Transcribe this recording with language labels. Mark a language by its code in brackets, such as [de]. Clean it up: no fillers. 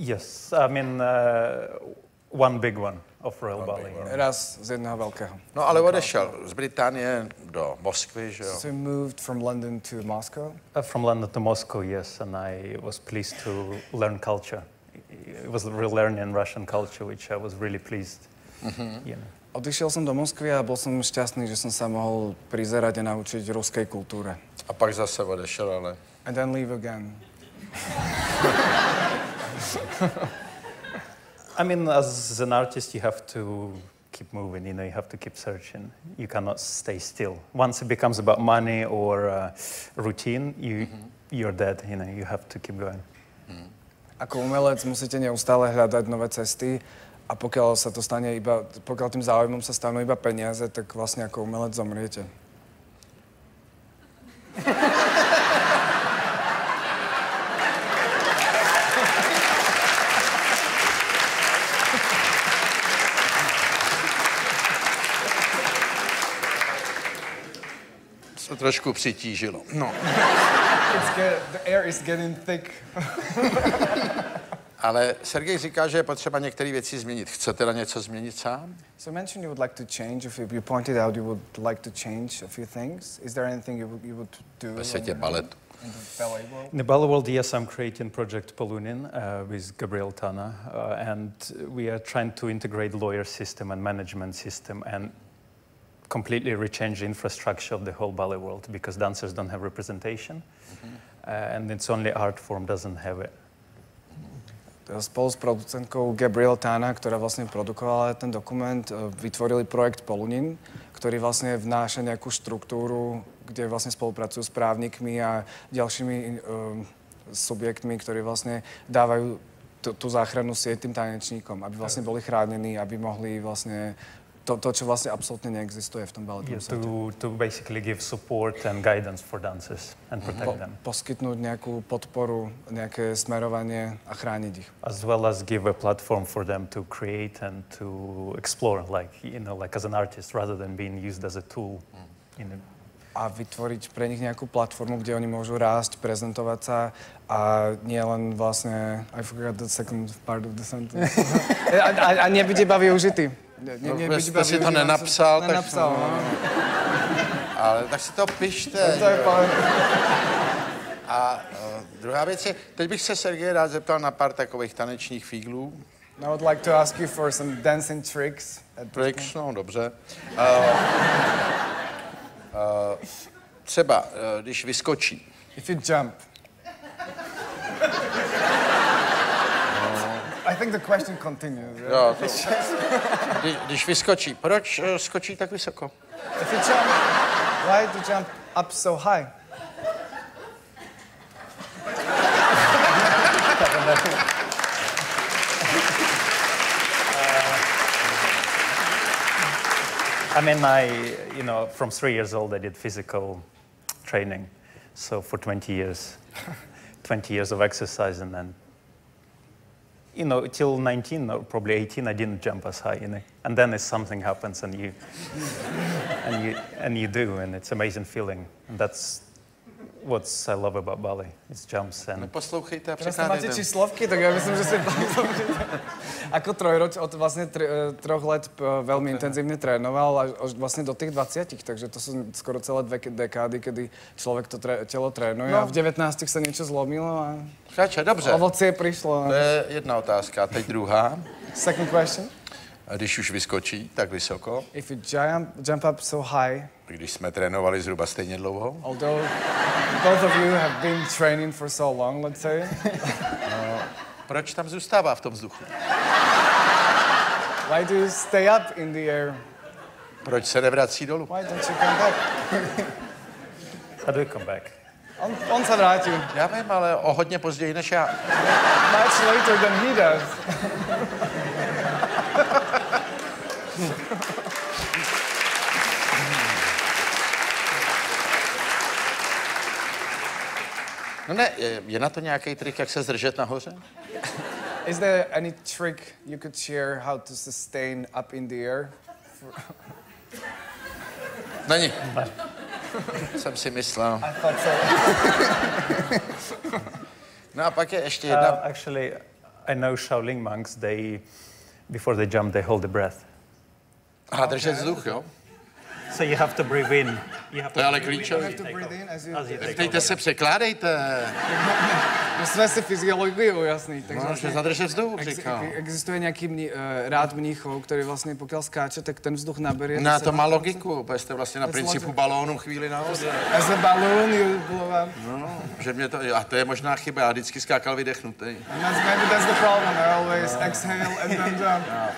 [en] Yes. I mean, one big one of Royal Ballet. [sk] Raz z jedného veľkého. [cs] No, ale odešel z Británie do Moskvy, že jo? [en] So you moved from London to Moscow? From London to Moscow, yes. And I was pleased to learn culture. It was really learning Russian culture, which I was really pleased. Mm-hmm. You know. [sk] Odišiel som do Moskvy a bol som šťastný, že som sa mohol prizerať a naučiť ruskej kultúre. [cs] A pak zase odešel, ale... [en] And then leave again. I mean, as an artist, you have to keep moving, you know, you have to keep searching. You cannot stay still. Once it becomes about money or routine, you're dead, you know, you have to keep going. [sk] Ako umelec musíte neustále hľadať nové cesty, a pokiaľ sa to stane iba, pokiaľ tým záujmom sa stanú iba peniaze, tak vlastne ako umelec zomriete. [cs] To trošku přitížilo. No. [en] The air is getting thick. [cs] Ale Sergej říká, že je potřeba některé věci změnit. Chce teda něco změnit sám? [en] So mentioned you would like to change. If you pointed out you would like to change a few things. Is there anything you would do? [cs] Ve světě baletu. [en] In the ballet world, yes, I'm creating project Polunin with Gabrielle Tana, and we are trying to integrate lawyer system and management system and completely rechange the infrastructure of the whole ballet world because dancers don't have representation. And it's only art form doesn't have it. [sk] Spolu s producentkou Gabriel Tana, ktorá vlastne produkovala ten dokument, vytvorili projekt Polunin, ktorý vlastne vnáša nejakú štruktúru, kde vlastne spolupracujú s právnikmi a ďalšími subjektmi, ktorí vlastne dávajú tú záchrannú sieť tým tanečníkom, aby vlastne boli chránení, aby mohli vlastne to, čo vlastne absolútne neexistuje v tom baletom svete. [en] To basically give support and guidance for dancers and protect them. [sk] Poskytnúť nejakú podporu, nejaké smerovanie a chrániť ich. [en] As well as give a platform for them to create and to explore, like, you know, like as an artist, rather than being used as a tool. [sk] A vytvoriť pre nich nejakú platformu, kde oni môžu rásť, prezentovať sa a nie len vlastne... [en] I forgot the second part of the sentence. [sk] a nebyť iba využitý. [cs] Ne, jste si to nenapsal, tak... Nenapsal, no. Ale tak si to pište. A druhá věc je, teď bych se Sergej rád zeptal na pár takových tanečních fíglů. [en] I would like to ask you for some dancing tricks. [cs] Tricks, no, dobře. Třeba, když vyskočí. [en] If you jump. I think the question continues. [cs] Jo, to... Když vyskočí, proč skočí tak vysoko? [en] If you jump, why do you jump up so high? I mean, you know, from 3 years old I did physical training. So for 20 years, 20 years of exercise and then you know, till 19 or probably 18, I didn't jump as high, you know. And then something happens and you do, and it's an amazing feeling. And that's what I love about ballet. It's jumps and... [cs] Neposlouchejte a překládejte. Máte číslovky, tak já myslím, že si tam... Ako trojroč, od vlastně troch let velmi intenzivně trénoval a vlastně do těch 20, takže to jsou skoro celé dvě dekády, kdy člověk to tělo trénuje. No. A v 19 se něco zlomilo a... Přáče, dobře. Ovoci je přišlo. To je jedna otázka, teď druhá. [en] Second question. [cs] A když už vyskočí tak vysoko. [en] If you jump up so high. [cs] Když jsme trénovali zhruba stejně dlouho. [en] Although both of you have been training for so long, let's say. [cs] No, proč tam zůstává v tom vzduchu? [en] Why do you stay up in the air? Proč se nevrací dolů? Why don't you come back? How do you come back? [cs] On se vrátí. Já vím, ale o hodně později než já. [en] Much later than he does. [cs] No ne, je na to nějaký trik, jak se zdržet nahoře? [en] Is there any trick you could share how to sustain up in the air? [cs] Není. Jsem si myslel. [en] I thought so. [cs] No a pak je ještě jedna... [en] Actually, I know Shaolin monks, they... Before they jump, they hold the breath. [cs] A držet vzduch, jo? [en] So you have to breathe in. [cs] To je ale klíčové. Vtejte se, překládejte. My jsme si fyziologii ujasnit. No, že zadrže vzduch, říkal. Existuje nějaký rád mníchov, který vlastně pokud skáče, tak ten vzduch nabere. No, to má logiku, protože jste vlastně na principu balónu chvíli na hoře. [en] As a balloon, you blow [cs] up. No, že mě to, a to je možná chyba, já vždycky skákal vydechnutý. [en] Maybe that's the problem, I always exhale and then jump.